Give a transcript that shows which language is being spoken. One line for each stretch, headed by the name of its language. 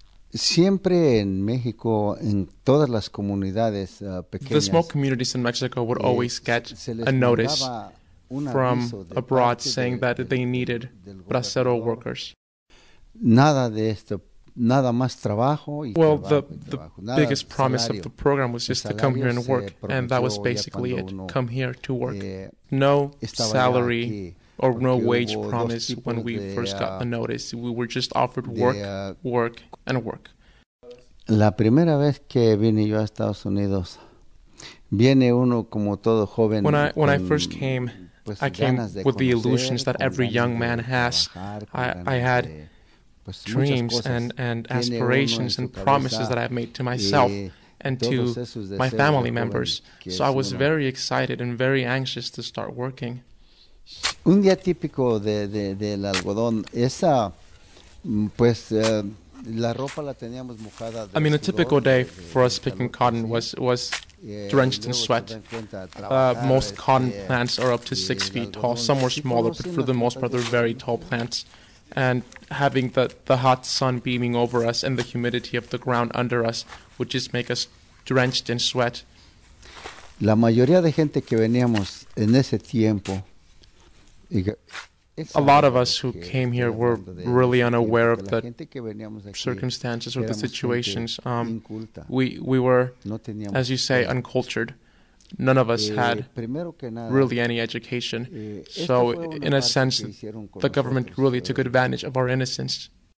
Spanish: Siempre en México, en todas las comunidades pequeñas,
English: the small communities in Mexico would always get a notice from abroad saying that they needed bracero workers.
Spanish: Nada de esto, nada más trabajo.
English: Well, the biggest promise of the program was just to come here and work, and that was basically it, come here to work. No salary or no wage promise when we first got the notice. We were just offered work, work, and work.
Spanish: La primera vez que vine yo a Estados Unidos, viene uno como todo joven.
English: When I first came, I came with the illusions that every young man has. I had dreams and aspirations and promises that I have made to myself and to my family members. So I was very excited and very anxious to start working.
Spanish: Un día típico del algodón, esa, pues, la ropa la teníamos mojada.
English: I mean, a typical day for us picking cotton was drenched in sweat. Most cotton plants are up to 6 feet tall. Some were smaller, but for the most part, they're very tall plants. And having the hot sun beaming over us and the humidity of the ground under us would just make us drenched in sweat.
Spanish: La mayoría de gente que veníamos en ese tiempo.
English: A lot of us who came here were really unaware of the circumstances or the situations. We were, as you say, uncultured. None of us had really any education. So, in a sense, the government really took advantage of our innocence.